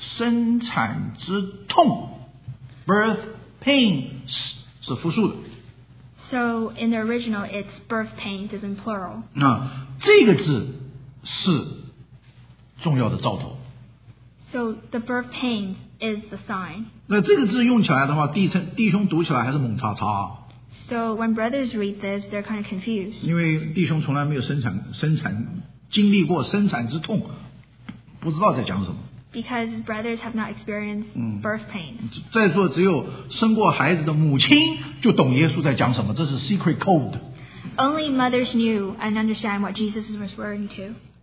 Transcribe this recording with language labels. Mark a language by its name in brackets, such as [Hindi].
[Chinese] 对，这里主耶稣说的是叫做生产之痛， birth pains 是复数的。 [English] So in the original, it's birth pains is in plural. [Chinese] 那这个字是重要的兆头。 [English] So the birth pains is the sign. [Chinese] 那这个字用起来的话，弟兄读起来还是猛叉叉。 [English] So when brothers read this, they're kind of confused. [Chinese] 因为弟兄从来没有经历过生产之痛，不知道在讲什么。Because [English] brothers have not experienced birth pains. [Chinese] 在座只有生过孩子的母亲就懂耶稣在讲什么，这是 [English] secret code. Only mothers knew and understand what Jesus is referring to.